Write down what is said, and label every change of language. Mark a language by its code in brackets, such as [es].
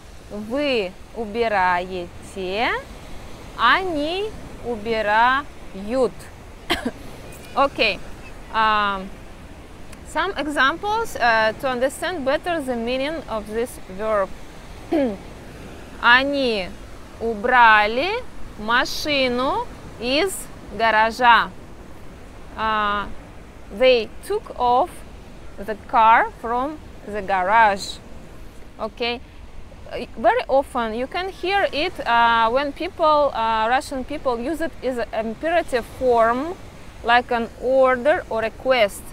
[ru] Вы убираете. Они убирают. Okay. [en] Some examples to understand better the meaning of this verb. [ru] Они убрали машину из гаража. [en] They took off the car from the garage. Okay. Very often you can hear it when people, Russian people, use it as an imperative form, like an order or request.